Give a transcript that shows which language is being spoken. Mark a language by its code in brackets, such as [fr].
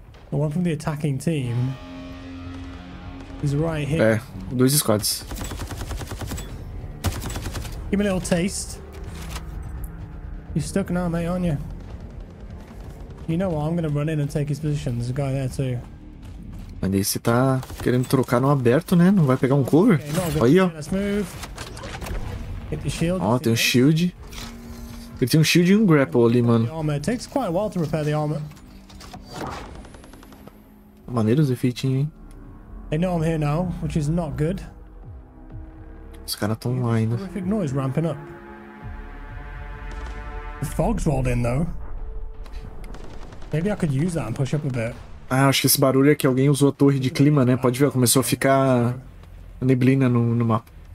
[en] The one from the attacking team is right here. [pt] É, dois squads. [en] Give me a little taste. You're stuck now, mate, aren't you? You know what? I'm gonna run in and take his position. There's a guy there too. [pt] Mas aí você tá querendo trocar no aberto, né? Não vai pegar um cover? Olha aí, ó. [en] Let's move. Hit the shield. [pt] Ó, tem um shield. Ele tem um shield e um grapple ali, mano. [en] Takes quite a while to repair the armor. [pt] Maneiro os efeitinhos, hein? [en] They know I'm here now, which is not good. [pt] Os caras estão lá ainda. [en] Terrific noise ramping up. The fog's rolled in though. Maybe I could use that and push up a bit. [pt] Ah, acho que esse barulho é que alguém usou a torre de clima, né? Pode ver, começou a ficar neblina no mapa.